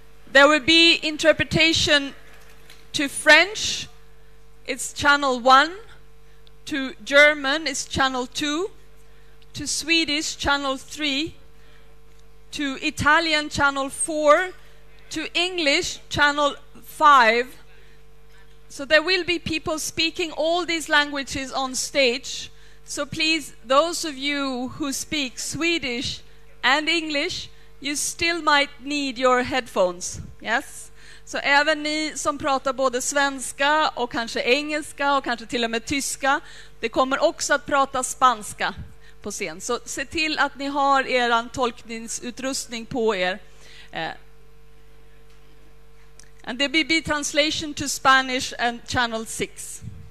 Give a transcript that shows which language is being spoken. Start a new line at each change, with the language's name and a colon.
English: There will be interpretation to French, it's channel 1, to German, it's channel 2, to Swedish, channel 3, to Italian, channel 4, to English, channel 5. So there will be people speaking all these languages on stage. So please, those of you who speak Swedish and English, you still might need your headphones. Yes?
Swedish: Så även ni som pratar både svenska och kanske engelska och kanske till och med tyska, det kommer också att prata spanska på scen. Så se till att ni har er tolkningsutrustning på er.
English: And there will be translation to Spanish and channel 6.